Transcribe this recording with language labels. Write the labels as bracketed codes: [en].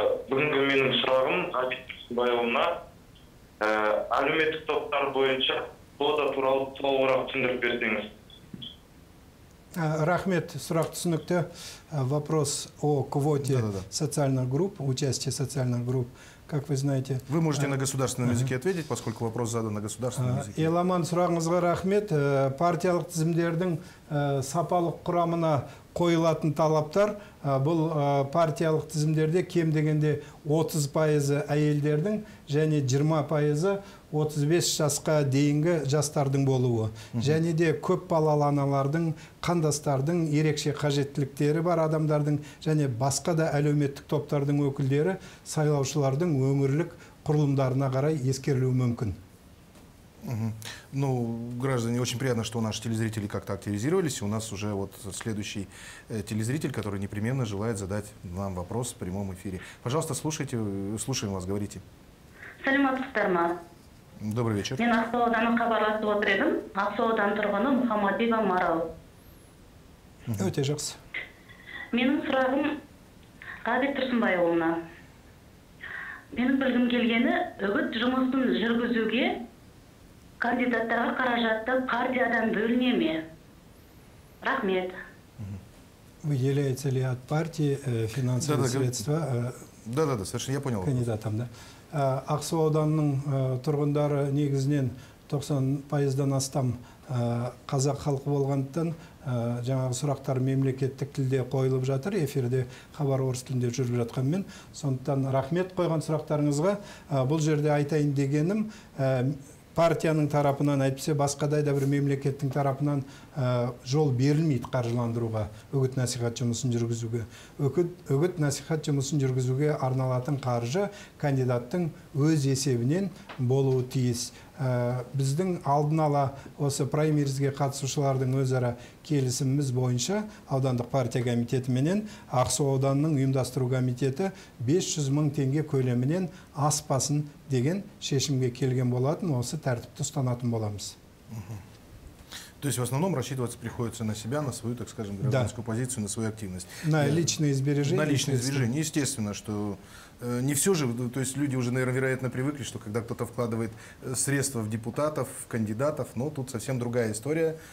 [kk] Бүгінгі менің сұрағым Ғабит Байұлына әлеуметтік топтар бойынша квота туралы толығырақ түсіндіріп берсеңіз. Рахмет, сұрақ түсінікті. [ru] Вопрос о квоте социальных групп, участие социальных групп. Как вы знаете, вы можете на государственном языке ответить, поскольку вопрос задан на государственном языке. [kk] Эламан, сұрағыңызға рахмет. Партиялық тізімдердің сапалық құрамына қойылатын талаптар, бұл партиялық тізімдерде кем дегенде 30% әйелдердің және 20% 35 жасқа дейінгі жастардың болуы. Және де көп балалы аналардың, қандастардың, ерекше қажеттіліктері бар адамдардың және басқа да әлеуметтік топтардың өкілдері сайлаушылардың өңірлік құрылымдарына қарай ескерілуі мүмкін. [ru] Ну, граждане, очень приятно, что наши телезрители как-то активизировались. У нас уже вот следующий телезритель, который непременно желает задать нам вопрос в прямом эфире. Пожалуйста, слушайте, слушаем вас, говорите. [kk] Саламатсыздар ма? [ru] Добрый вечер. [kk] Мен Ақсуадан хабарласып отыр едім. Ақсуадан тұрғыны Мухаммадиева Марал. Өте жақсы. Менің сұрағым Ғабит Тұрсынбайұлына. Менің білгім келгені, үгіт жұмысын жүргізуге кандидаттарға қаражатты партиядан бөліне ме? Рахмет. [ru] Выделяется ли от партии финансовые средства? Да, совершенно, я понял. Кандидатам, да. [kk] Ақсу ауданының тұрғындары негізінен 90%-дан астам қазақ халқы болғандықтан жаңағы сұрақтар мемлекеттік тілде қойылып жатыр, эфирде хабар орыс тілінде жүріп жатқанмен. Сондықтан рахмет қойған сұрақтарыңызға. Бұл жерде айтайын дегенім, партияның тарапынан, әйтпесе басқадай да бір мемлекеттің тарапынан жол берілмейді қаржыландыруға, үгіт-насихат жұмысын жүргізуге. Үгіт-насихат жұмысын жүргізуге арналатын қаржы кандидаттың өз есебінен болуы тиіс. Біздің алдын ала осы праймеризге қатысушылардың өзара келісіміз бойынша аудандық партия комитетіменен Ақсу ауданының ұйымдастыру комитеті 500 мың теңге көлемінен аспасын деген шешімге келген болатын, осы тәртіпті ұстанатын боламыз. [ru] То есть в основном рассчитываться приходится на себя, на свою, так скажем, гражданскую позицию, на свою активность. На личные сбережения. На личные сбережения. Естественно, что не все же, то есть люди уже, наверное, вероятно, привыкли, что когда кто-то вкладывает средства в депутатов, в кандидатов, но тут совсем другая история.